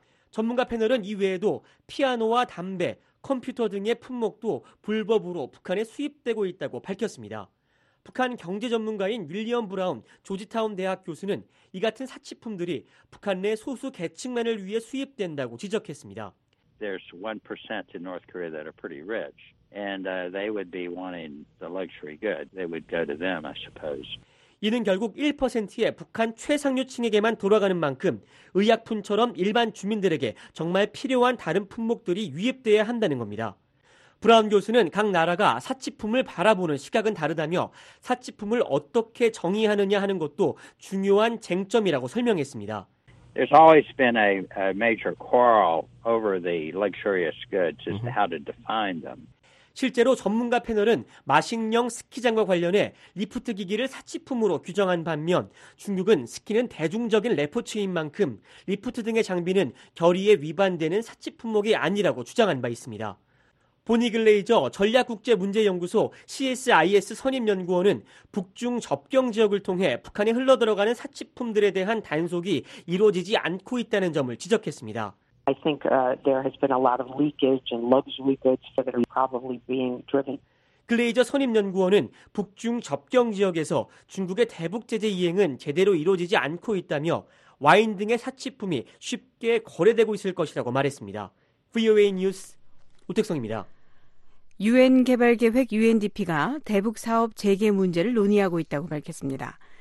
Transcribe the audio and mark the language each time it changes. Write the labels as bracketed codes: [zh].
[ko] 전문가 패널은 이외에도 피아노와 담배, 컴퓨터 등의 품목도 불법으로 북한에 수입되고 있다고 밝혔습니다. 북한 경제 전문가인 윌리엄 브라운 조지타운 대학 교수는 이 같은 사치품들이 북한 내 소수 계층만을 위해 수입된다고 지적했습니다. [en] There's 1% in North Korea that are pretty rich, and they would be wanting the luxury good. They would go to them, I suppose. [ko] 이는 결국 1%의 북한 최상류층에게만 돌아가는 만큼 의약품처럼 일반 주민들에게 정말 필요한 다른 품목들이 유입돼야 한다는 겁니다. 브라운 교수는 각 나라가 사치품을 바라보는 시각은 다르다며 사치품을 어떻게 정의하느냐 하는 것도 중요한 쟁점이라고 설명했습니다. [en] There's always been a major quarrel over the luxurious goods as to how to define them. [ko] 실제로 전문가 패널은 마식령 스키장과 관련해 리프트 기기를 사치품으로 규정한 반면 중국은 스키는 대중적인 레포츠인 만큼 리프트 등의 장비는 결의에 위반되는 사치품목이 아니라고 주장한 바 있습니다. 보니 글레이저 전략국제문제연구소 CSIS 선임연구원은 북중 접경지역을 통해 북한에 흘러들어가는 사치품들에 대한 단속이 이루어지지 않고 있다는 점을 지적했습니다. [en] I think there has been a lot of leakage and luxury goods that are probably being driven. [ko] 글레이저 선임연구원은 북중 접경지역에서 중국의 대북제재 이행은 제대로 이루어지지 않고 있다며 와인 등의 사치품이 쉽게 거래되고 있을 것이라고 말했습니다. VOA 뉴스 오택성입니다. 유엔 개발계획 UNDP가 대북사업 재개 문제를 논의하고 있다고 밝혔습니다.